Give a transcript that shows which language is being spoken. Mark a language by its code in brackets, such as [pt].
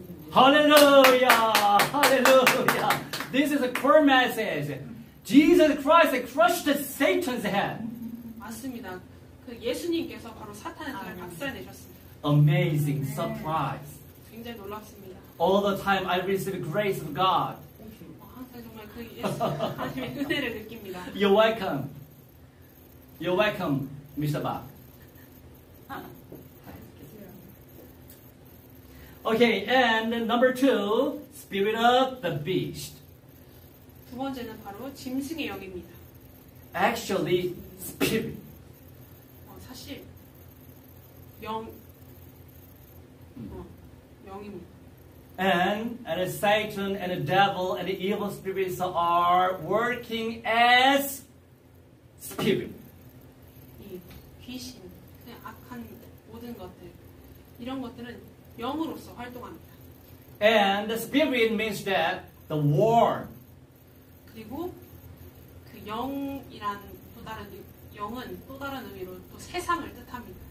[en] 할렐루야! 할렐루야! This is a core message. Jesus Christ crushed Satan's head. [ko] 맞습니다. 그 예수님께서 바로 사탄의 등을 박살내셨습니다. [en] Amazing surprise. [ko] 굉장히 놀랍습니다. [en] All the time I receive grace of God. [ko] 항상 정말 그 예수님의 은혜를 느낍니다. [en] You're welcome. You're welcome, Mr. Bach. Okay, and number two, spirit of the beast. [ko] 두 번째는 바로 짐승의 영입니다. [en] Actually, spirit. [ko] 사실 영 영입니다. [en] And Satan and the devil and the evil spirits are working as spirit. [ko] 이 귀신, 그냥 악한 모든 것들 이런 것들은 영으로서 활동합니다. [en] And the spirit means that the war. [ko] 그리고 그 영이란 또 다른 영은 또 다른 의미로 또 세상을 뜻합니다.